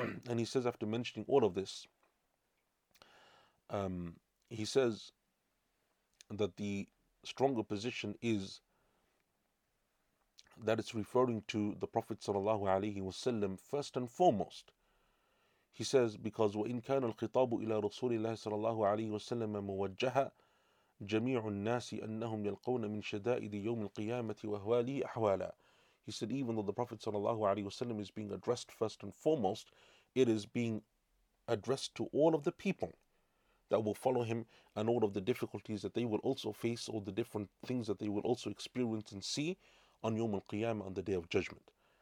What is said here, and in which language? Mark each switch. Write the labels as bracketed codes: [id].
[en] And he says, after mentioning all of this, he says that the stronger position is that it's referring to the Prophet sallallahu alayhi wasallam first and foremost. He says, because [ar] وَإِنْ كَانَ الْخِطَابُ إِلَىٰ رَسُولِ اللَّهِ سَلَّاللَّهُ عَلَيْهِ وَسَلَّمَ مُوَجَّهًا جَمِيعُ النَّاسِ أَنَّهُمْ يَلْقَوْنَ مِنْ شَدَائِدِ يَوْمِ الْقِيَامَةِ وَهْوَالِهِ أَحْوَالًا. [en] He said, even though the Prophet sallallahu alayhi wasallam is being addressed first and foremost, it is being addressed to all of the people that will follow him and all of the difficulties that they will also face, all the different things that they will also experience and see on Yawm al-Qiyamah, on the Day of Judgment.